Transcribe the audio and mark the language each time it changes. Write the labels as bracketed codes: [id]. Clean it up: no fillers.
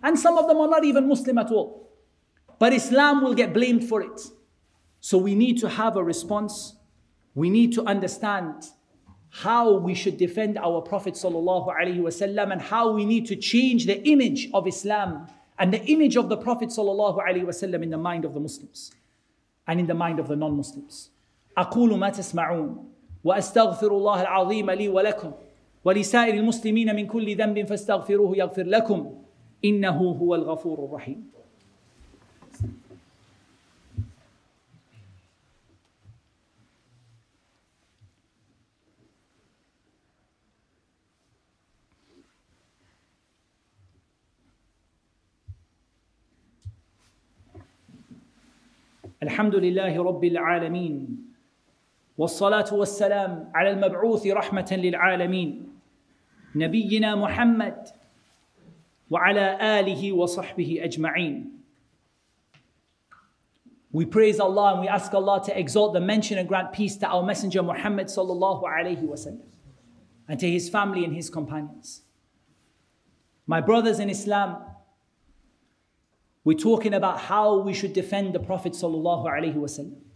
[en] And some of them are not even Muslim at all. But Islam will get blamed for it. So we need to have a response. We need to understand how we should defend our Prophet sallallahu alaihi wasallam and how we need to change the image of Islam and the image of the Prophet sallallahu alaihi wasallam in the mind of the Muslims and in the mind of the non-Muslims. [ar] أقول ما تسمعون وأستغفر الله العظيم لي ولكم ولسائر المسلمين من كل ذنب فاستغفروه يغفر لكم إنه هو الغفور الرحيم. الحمد لله رب العالمين والصلاة والسلام على المبعوث رحمة للعالمين نبينا محمد وعلى آله وصحبه أجمعين. [en] We praise Allah and we ask Allah to exalt the mention and grant peace to our Messenger Muhammad sallallahu alaihi wasallam and to his family and his companions. My brothers in Islam, we're talking about how we should defend the Prophet sallallahu alaihi wasallam.